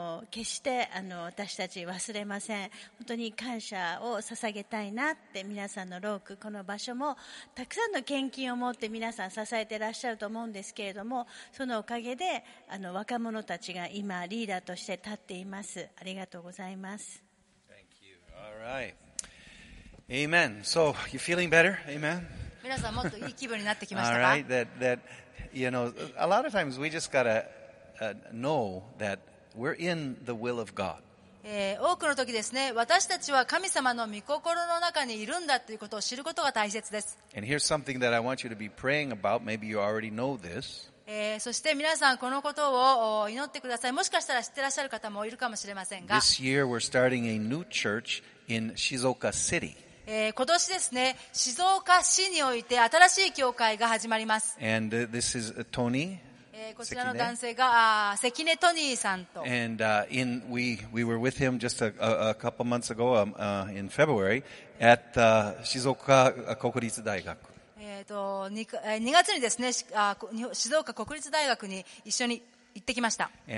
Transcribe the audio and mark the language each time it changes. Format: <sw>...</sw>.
<ja>決して私たち忘れません。本当に感謝を捧げたいなって。皆さんのローク、この場所もたくさんの献金を持って皆さん支えていらっしゃると思うんですけれども、そのおかげで若者たちが今リーダーとして立っています。ありがとうございます。</ja> <en>Right. Amen. So, you feeling better? Amen.</en> <ja>皆さんもっといい気分になってきましたか?</ja> <en>All right. That, you know, a lot of times we just gotta know that we're in the will of God.</en> <ja>多くの時ですね、私たちは神様の御心の中にいるんだということを知ることが大切です。</ja> <en>And here's something that I want you to be praying about. Maybe you already know this.</en> <ja>そして皆さん、このことを祈ってください。もしかしたら知ってらっしゃる方もいるかもしれませんが、</ja> <en>This year we're starting a new church in Shizuoka City.</en> <ja>今年ですね、静岡市において新しい教会が始まります。</ja> <en>And this is Tony.</en> <ja>こちらの男性が関根トニーさんと。</ja> <en>And we were with him just a couple months ago, in February, at Shizuoka Kokuritsu Daigaku.</en> <ja>2月にですね、静岡国立大学に一緒に行ってきました。</ja>